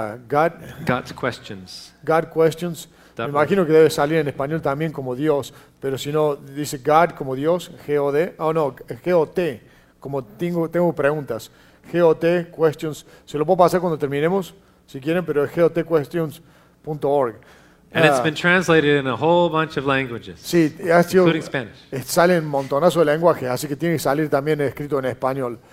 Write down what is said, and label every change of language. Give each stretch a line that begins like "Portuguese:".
English: God Questions.
Spanish: Me imagino que debe salir en español también como Dios, pero si no, dice God como Dios, G-O-D, oh no, G-O-T, como tengo preguntas, G-O-T Questions, se lo puedo pasar cuando terminemos, si quieren, pero es gotquestions.org.
English: And it's been translated in a whole bunch of languages,
Spanish: sí,
English: including Spanish.
Spanish: Sale en montonazo de lenguajes, así que tiene que salir también escrito en español.